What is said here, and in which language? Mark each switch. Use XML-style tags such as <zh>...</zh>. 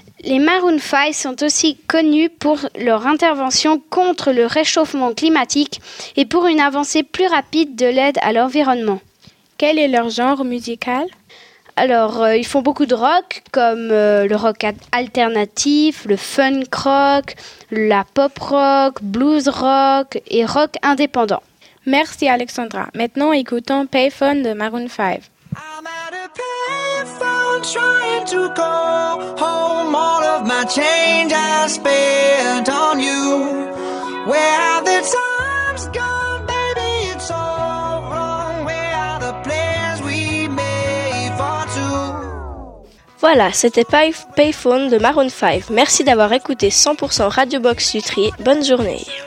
<fr>Les Maroon 5 sont aussi connus pour leur intervention contre le réchauffement climatique et pour une avancée plus rapide de l'aide à l'environnement. Quel est leur genre musical ? Alors, ils font beaucoup de rock, comme le rock alternatif, le funk rock, la pop rock, blues rock et rock indépendant. Merci Alexandra. Maintenant, écoutons Payphone de Maroon 5.</fr> <en>I'm at a payphone trying to call home all of my change I spent on you. Where have the times gone, baby, it's all wrong. Where are the plans we made for two?</en> <fr>Voilà, c'était Payphone de Maroon 5. Merci d'avoir écouté 100% Radio Box Lutry. Bonne journée.</fr>